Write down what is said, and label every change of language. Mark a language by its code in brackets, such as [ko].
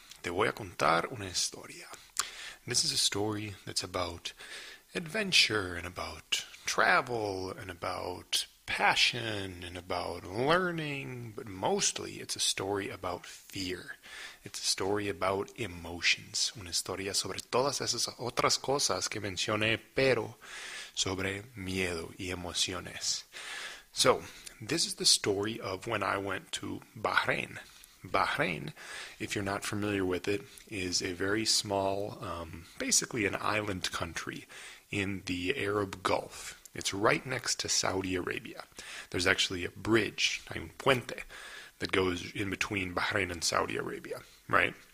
[es] Te voy a contar una historia. [en] This is a story that's about adventure and about travel and about passion and about learning, but mostly it's a story about fear. It's a story about emotions. [es] Una historia sobre todas esas otras cosas que mencioné, pero sobre miedo y emociones. [en] So, this is the story of when I went to Bahrain. Bahrain, if you're not familiar with it, is a very small, basically an island country in the Arab Gulf. It's right next to Saudi Arabia. There's actually a bridge, a puente, that goes in between Bahrain and Saudi Arabia, right?